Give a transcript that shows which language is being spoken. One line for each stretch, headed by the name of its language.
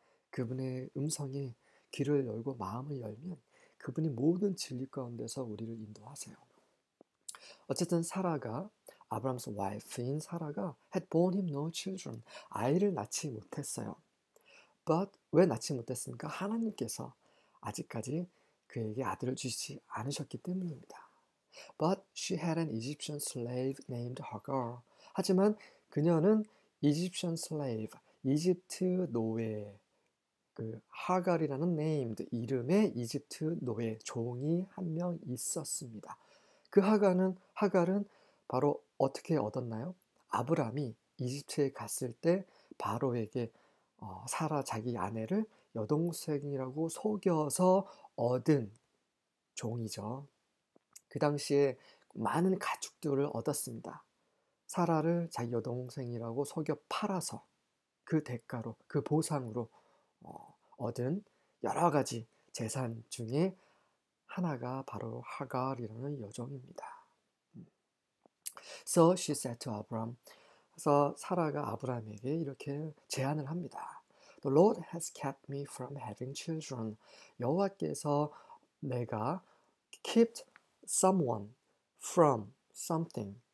Korean: 그분의 음성에 귀를 열고 마음을 열면 그분이 모든 진리 가운데서 우리를 인도하세요. 어쨌든 사라가 아브람's
English: wife
Korean: 인 사라가
English: had borne him no children
Korean: 아이를 낳지 못했어요.
English: But
Korean: 왜 낳지 못했습니까? 하나님께서 아직까지 그에게 아들을 주시지 않으셨기 때문입니다.
English: But she had an Egyptian slave named Hagar.
Korean: 하지만 그녀는
English: Egyptian slave,
Korean: 이집트 노예 그 하갈이라는
English: named
Korean: 이름의 이집트 노예 종이 한명 있었습니다. 그 하갈은 바로 어떻게 얻었나요? 아브람이 이집트에 갔을 때 바로에게 사라 자기 아내를 여동생이라고 속여서 얻은 종이죠. 그 당시에 많은 가축들을 얻었습니다. 사라를 자기 여동생이라고 속여 팔아서 그 대가로, 그 보상으로 얻은 여러 가지 재산 중에 하나가 바로 하갈이라는 여종입니다.
English: So she said to Abram.
Korean: 그래서 사라가 아브람에게 이렇게 제안을 합니다.
English: The Lord has kept me from having children.
Korean: 여호와께서 내가
English: kept someone from something.